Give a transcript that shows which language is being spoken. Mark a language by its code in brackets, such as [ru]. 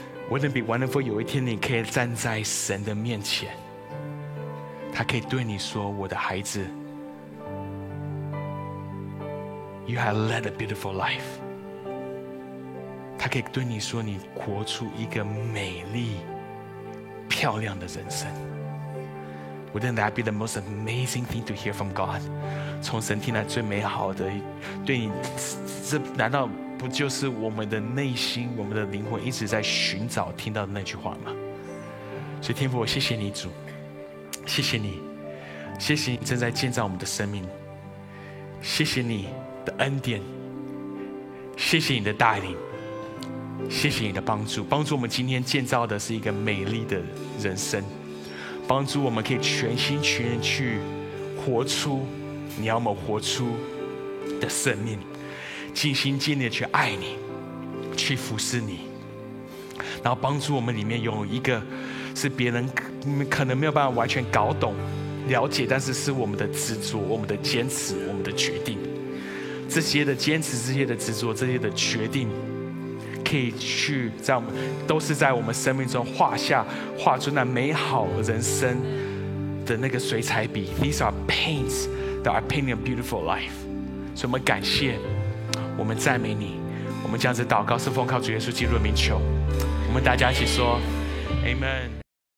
[en] Wouldn't it be wonderful [zh] 有一天你可以站在神的面前，他可以对你说，我的孩子 [en] You have led a beautiful life。 [zh] 他可以对你说，你活出一个美丽漂亮的人生。 [en] Wouldn't that be the most amazing thing to hear from God? [zh] 从神听来最美好的，对你，这难道不就是我们的内心，我们的灵魂一直在寻找听到的那句话吗？所以天父，我谢谢你主，谢谢你，谢谢你正在建造我们的生命，谢谢你的恩典，谢谢你的带领，谢谢你的帮助，帮助我们今天建造的是一个美丽的人生，帮助我们可以全心全人去活出你要我们活出的生命，尽心尽力的去爱你，去服侍你，然后帮助我们里面拥有一个是别人可能没有办法完全搞懂了解，但是是我们的执着，我们的坚持，我们的决定，这些的坚持，这些的执着，这些的决定，可以去在我们都是在我们生命中画出那美好人生的那个水彩笔。 [en] These are paints that are painting a beautiful life。 [zh] 所以我们感谢，我们赞美你，我们这样子祷告是奉靠主耶稣基督的名求，我们大家一起说 Amen。